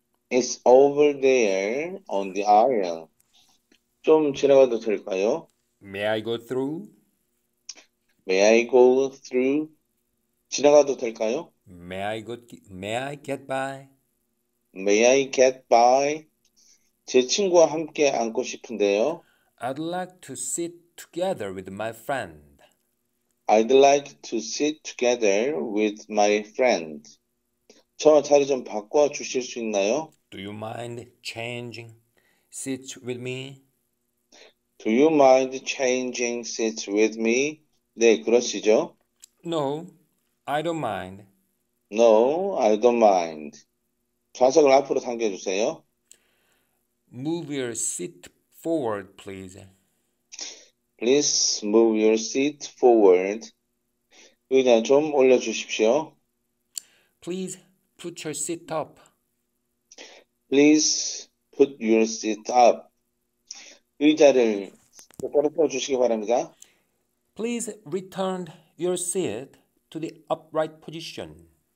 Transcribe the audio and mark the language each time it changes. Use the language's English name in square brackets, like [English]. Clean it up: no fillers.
[English] It's over there on the aisle. [Korean] 좀 지나가도 될까요? [English] May I go through? May I go through? [Korean] 지나가도 될까요? [English] May I get by? May I get by? [Korean] 제 친구와 함께 앉고 싶은데요. [English] I'd like to sit together with my friend. I'd like to sit together with my friend. [Korean] 저 자리 좀 바꿔 주실 수 있나요? [English] Do you mind changing seats with me? Do you mind changing seats with me? [Korean] 네, 그러시죠? [English] No, I don't mind. No, I don't mind. [Korean] 좌석을 앞으로 당겨 주세요. [English] Move your seat forward, please. Please move your seat forward. [Korean] 의자 좀 올려 주십시오. [English] Please put your seat up. Please put your seat up. [Korean] 의자를 똑바로 주시기 바랍니다. [English] Please return your seat to the upright position.